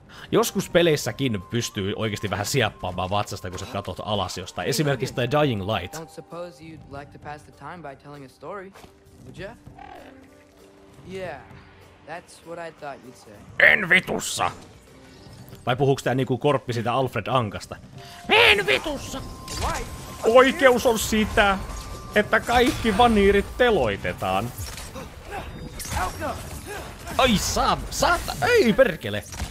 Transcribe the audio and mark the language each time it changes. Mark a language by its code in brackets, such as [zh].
[fi] Joskus peleissäkin pystyy oikeesti vähän sieppaamaan vatsasta, kun sä katot alas jostain. Esimerkiksi tai Dying Light. [en] Don't suppose you'd like to pass the time by telling a story, would ya? Yeah. That's what I thought you'd say. [fi] En vitussa! Vai puhuuks tää niinku korppi siitä Alfred Ankasta? En vitussa! Oikeus on sitä, että kaikki vaniirit teloitetaan. Ai ei perkele!